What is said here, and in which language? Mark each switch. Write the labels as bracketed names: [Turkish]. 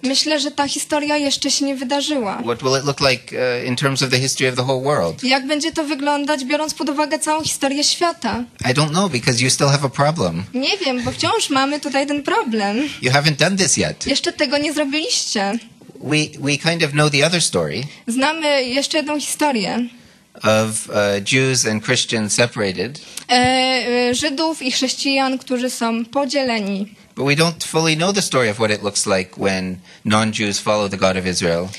[Polish] Myślę, że ta historia jeszcze się nie wydarzyła. [English] What will it look like in terms of the history of the whole world? [Polish] Jak będzie to wyglądać, biorąc pod uwagę całą historię świata. [English] I don't know, because you still have a problem. [Polish] Nie wiem, bo wciąż mamy tutaj ten problem. [English] You haven't done this yet. [Polish] Jeszcze tego nie zrobiliście. [English] We kind of know the other story. [Polish] Znamy jeszcze jedną historię. [English] Of Jews and Christians separated. [Polish] Żydów i chrześcijan, którzy są podzieleni. [English] But we don't fully know the story of what it looks like when non-Jews follow the God of Israel.